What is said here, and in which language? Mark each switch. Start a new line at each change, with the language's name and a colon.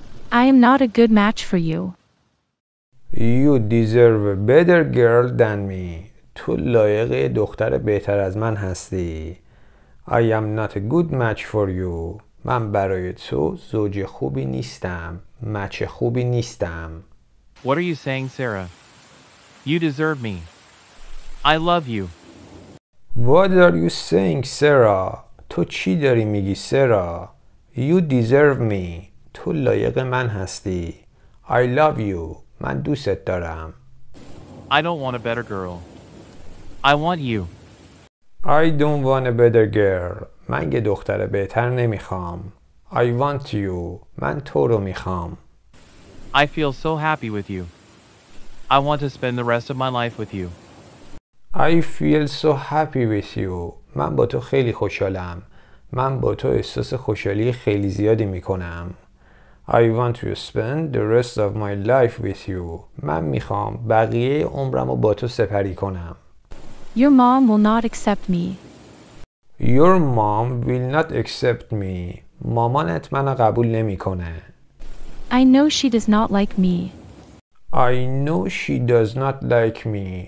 English: I am not a good match for you. You deserve a better girl than me.
Persian: تو لایق دختر بهتر از من هستی.
English: I am not a good match for you.
Persian: من برای تو زوج خوبی نیستم. مچ خوبی نیستم.
English: What are you saying, Sarah? You deserve me. I love you. What are you saying, Sarah?
Persian: تو چی داری میگی,
English: Sarah? You deserve me.
Persian: تو لایق من هستی.
English: I love you.
Persian: من دوستت دارم.
English: I don't want a better girl. I want you. I don't want a better girl.
Persian: من یه دختر بهتر نمیخوام.
English: I want you.
Persian: من تو رو میخوام.
English: I feel so happy with you. I want to spend the rest of my life with you. I feel so happy with you.
Persian: من با تو خیلی خوشحالم. من با تو احساس خوشحالی خیلی زیادی میکنم.
English: I want to spend the rest of my life with you.
Persian: من میخوام بقیه عمرم رو با تو سپری کنم.
English: Your mom will not accept me. Your mom will not accept me.
Persian: مامانت منو قبول نمیکنه.
English: I know she does not like me. I know she does not like me.